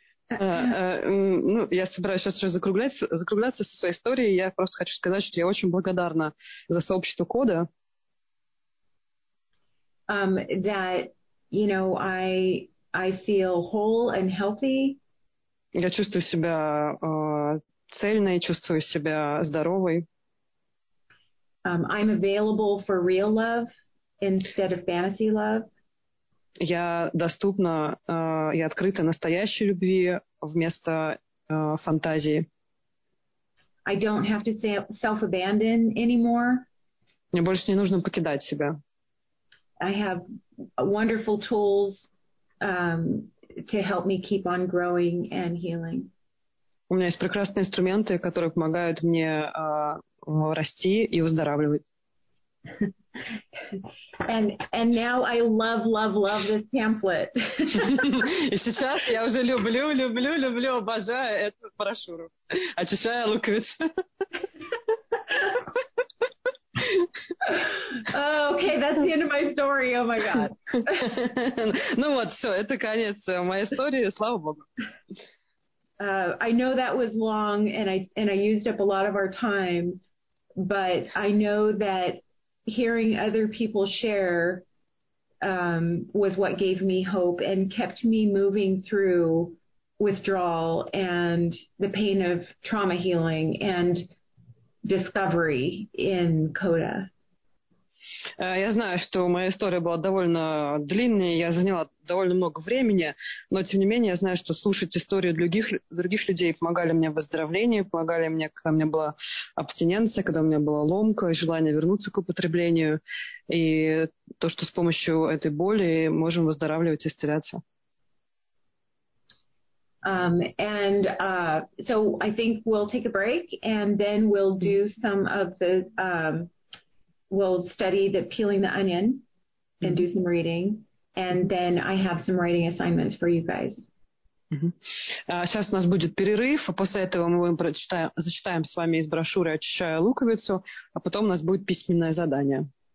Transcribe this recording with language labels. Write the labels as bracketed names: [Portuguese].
[Russian] Я собираюсь сейчас уже закругляться со своей историей. Я просто хочу сказать, что я очень благодарна за сообщество Кода. [English] That, you know, I feel whole and healthy. [Russian] Я чувствую себя цельной, чувствую себя здоровой. [English] I'm available for real love instead of fantasy love. [Russian] Я доступна и открыта настоящей любви вместо фантазии. [English] I don't have to self-abandon anymore. [Russian] Мне больше не нужно покидать себя. [English] I have wonderful tools to help me keep on growing and healing. [Russian] У меня есть прекрасные инструменты, которые помогают мне расти и выздоравливать. [English] And now I love this pamphlet. [Russian] И сейчас я уже люблю, обожаю эту брошюру. Очищаю луковицы. [English] Okay, that's the end of my story. Oh my god. [Russian] Ну вот, все, это конец моей истории, слава богу. [English] I know that was long and I used up a lot of our time, but I know that hearing other people share was what gave me hope and kept me moving through withdrawal and the pain of trauma healing and discovery in CODA. [Russian] Я знаю, что моя история была довольно длинной, я заняла довольно много времени, но тем не менее я знаю, что слушать истории других людей помогали мне в выздоровлении, помогали мне, когда у меня была абстиненция, когда у меня была ломка, желание вернуться к употреблению, и то, что с помощью этой боли можем выздоравливать и исцеляться. [English] So I think we'll take a break, and then we'll do some of the... We'll study the peeling the onion and do some reading. And then I have some writing assignments for you guys. [Russian] Сейчас у нас будет перерыв, а после этого мы зачитаем с вами из брошюры «Очищая луковицу», а потом у нас будет письменное задание.